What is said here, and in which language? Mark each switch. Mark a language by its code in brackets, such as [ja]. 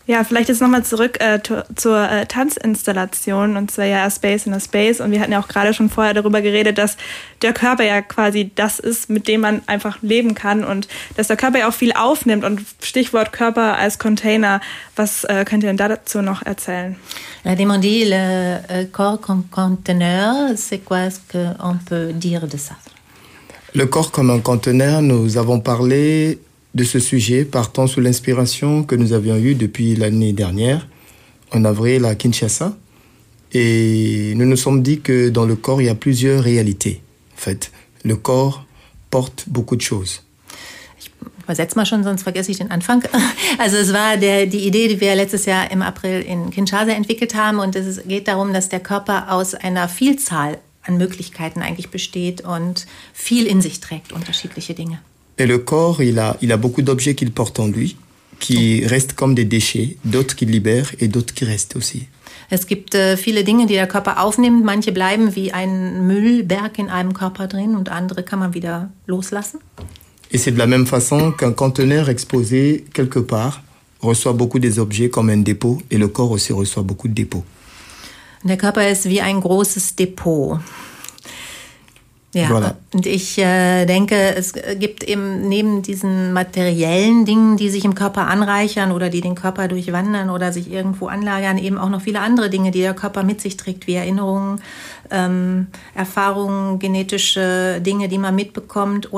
[de] Ja, vielleicht jetzt nochmal zurück zur Tanzinstallation und zwar ja A Space in a Space. Und wir hatten ja auch gerade schon vorher darüber geredet, dass der Körper ja quasi das ist, mit dem man einfach leben kann und dass der Körper ja auch viel aufnimmt. Und Stichwort Körper als Container. Was könnt ihr denn dazu noch erzählen? [fr] La demande, le corps comme conteneur, c'est quoi ce qu'on peut dire de ça? Le corps comme un conteneur, nous avons parlé de ce sujet partant sous l'inspiration que nous avions eue depuis l'année dernière, en avril à Kinshasa. Et nous nous sommes dit que dans le corps, il y a plusieurs réalités. En fait, le corps porte beaucoup de choses. [de] Übersetz mal schon, sonst vergesse ich den Anfang. Also es war die Idee, die wir letztes Jahr im April in Kinshasa entwickelt haben. Und es geht darum, dass der Körper aus einer Vielzahl an Möglichkeiten eigentlich besteht und viel in sich trägt, unterschiedliche Dinge. [fr] Et le corps, il a beaucoup d'objets qu'il porte en lui, qui restent comme des déchets, d'autres qu'il libère et d'autres qui restent aussi. [de] Es gibt viele Dinge, die der Körper aufnimmt. Manche bleiben wie ein Müllberg in einem Körper drin und andere kann man wieder loslassen. [fr] Et c'est de la même façon qu'un conteneur exposé quelque part reçoit beaucoup des objets comme un dépôt et le corps aussi reçoit beaucoup de dépôts. [de] Der Körper ist wie ein großes Depot. Ja, [fr] voilà. [de] Und ich denke, es gibt eben neben diesen materiellen Dingen, die sich im Körper anreichern oder die den Körper durchwandern oder sich irgendwo anlagern, eben auch noch viele andere Dinge, die der Körper mit sich trägt, wie Erinnerungen, Erfahrungen, genetische Dinge, die man mitbekommt.